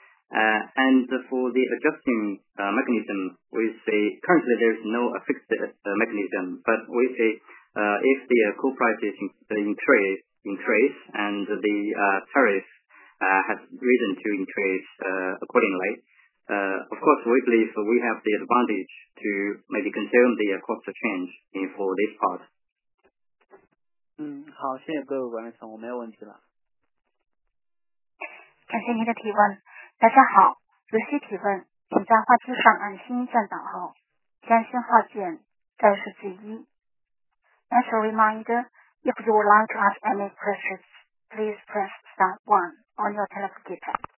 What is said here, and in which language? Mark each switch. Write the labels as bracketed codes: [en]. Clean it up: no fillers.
[en] And for the adjusting mechanism, we say currently there is no fixed mechanism, but we say if the coal prices increase and the tariff has risen to increase accordingly, of course we believe we have the advantage to maybe consume the cost change in for this part. [zh] 好，谢谢各位管理层，我没有问题了。感谢您的提问。大家好，如需提问，请在话机上按星键导号，将信号键再设置一。 [en] As a reminder, if you would like to ask any questions, please press star 1 on your telephone keypad.